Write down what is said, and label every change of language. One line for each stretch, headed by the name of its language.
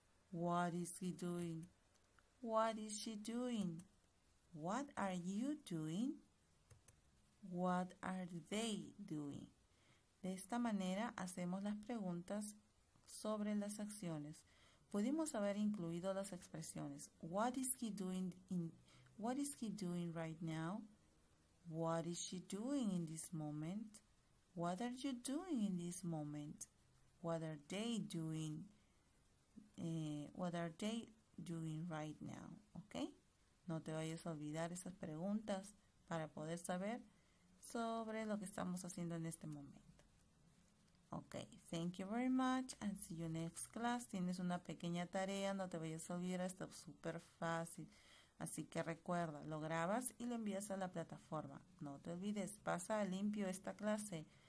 English: What is he doing? What is she doing? What are you doing? What are they doing?
Spanish: De esta manera hacemos las preguntas sobre las acciones. Pudimos haber incluido las expresiones.
English: What is he doing in, what is he doing right now? What is she doing in this moment? What are you doing in this moment? What are they doing? What are they doing right now? ¿Ok?
Spanish: No te vayas a olvidar esas preguntas para poder saber sobre lo que estamos haciendo en este momento.
English: Ok, thank you very much and see you next class.
Spanish: Tienes una pequeña tarea, no te vayas a olvidar, está súper fácil. Así que recuerda, lo grabas y lo envías a la plataforma. No te olvides, pasa a limpio esta clase.